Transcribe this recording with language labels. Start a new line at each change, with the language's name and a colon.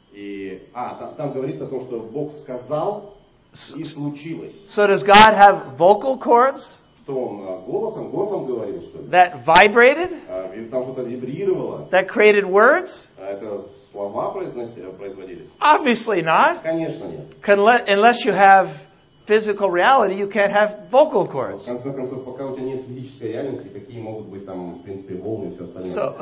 Russian: И, а, там, там говорится о том, что Бог сказал, и случилось.
English: So does God have vocal cords?
Russian: Что он голосом, горлом говорил, что ли?
English: That vibrated?
Russian: Там что-то вибрировало.
English: That created words?
Russian: Это слова производились.
English: Obviously not.
Russian: Конечно нет.
English: Unless you have physical reality, you can't have vocal cords.
Russian: В конце концов, пока у тебя нет физической реальности, какие могут быть там, в принципе, волны и все остальное?